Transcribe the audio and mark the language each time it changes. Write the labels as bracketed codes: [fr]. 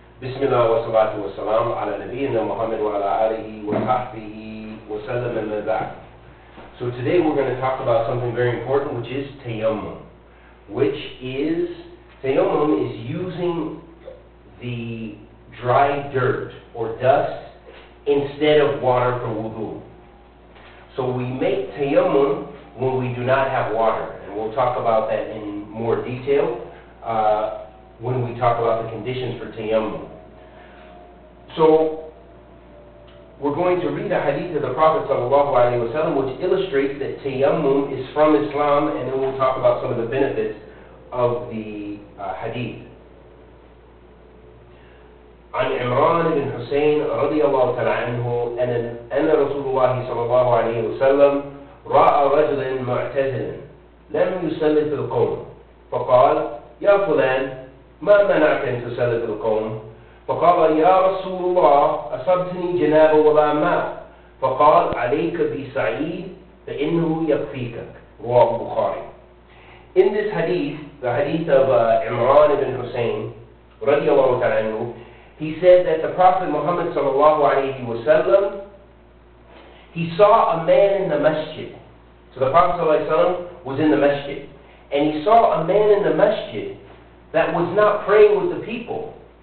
[ar] بسم الله والصلاة والسلام على نبينا محمد وعلى آله وصحبه وسلم أما بعد. [en] So today we're going to talk about something very important, which is Tayamum. Tayamum is using the dry dirt or dust instead of water for wudu. So we make Tayamum when we do not have water, and we'll talk about that in more detail when we talk about the conditions for Tayamum. So we're going to read a hadith of the Prophet sallallahu alaihi wasallam, which illustrates that Tayammum is from Islam, and then we'll talk about some of the benefits of the hadith. [ar] عن عمران بن حسين رضي الله تعالى عنه أن رسول الله صلى الله عليه وسلم رأى رجلا معتزلا لم يصلي في القوم فقال يا فلان ما منعك أن تصلي في القوم فقال يا رسول الله أصبتني جنابة ولا ماء فقال عليك بسعيد فإنه يكفيكك رواه البخاري. [en] In this hadith, the hadith of Imran ibn Hussein [ar] رضي الله تعالى عنه, [en] he said that the Prophet Muhammad sallallahu alayhi wa sallam, he saw a man in the masjid. So the Prophet sallallahu alayhi wa sallam was in the masjid, and he saw a man in the masjid that was not praying with the people.